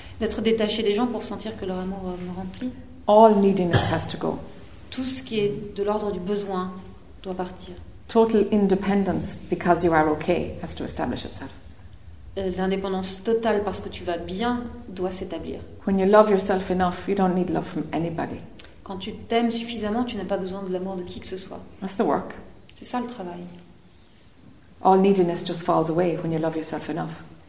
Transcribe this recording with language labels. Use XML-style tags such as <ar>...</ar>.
<fr>D'être détaché des gens pour sentir que leur amour me remplit.</fr> <en>All neediness has to go.</en> <fr>Tout ce qui est de l'ordre du besoin doit partir.</fr> <en>Total independence because you are okay has to establish itself.</en> <fr>L'indépendance totale parce que tu vas bien doit s'établir.</fr> <en>When you love yourself enough, you don't need love from anybody.</en> <fr>Quand tu t'aimes suffisamment, tu n'as pas besoin de l'amour de qui que ce soit.</fr> <en>That's the work.</en> <fr>C'est ça le travail.</fr> <en>All neediness just falls away when you love yourself enough.</en>